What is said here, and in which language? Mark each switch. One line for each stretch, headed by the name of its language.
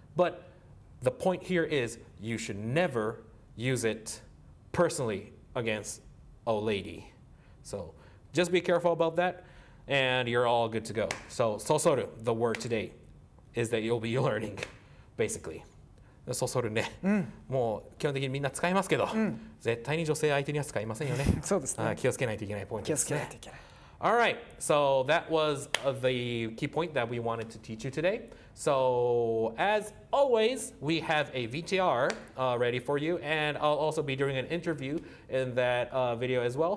English: But the point here is you should never use it personally against a lady. So just be careful about that and you're all good to go. So sosoru, the word today, is that you'll be learning. Basically.
Japanese: そそるね、うん、もう基本的にみんな使いますけど、うん、絶対に女性相手には使いませんよね。そうですね。気をつけないといけないポイントですね。気をつけないといけない。
English: All right. So that was the key point that we wanted to teach you today. So as always, we have a VTR ready for you. And I'll also be doing an interview in that video as well.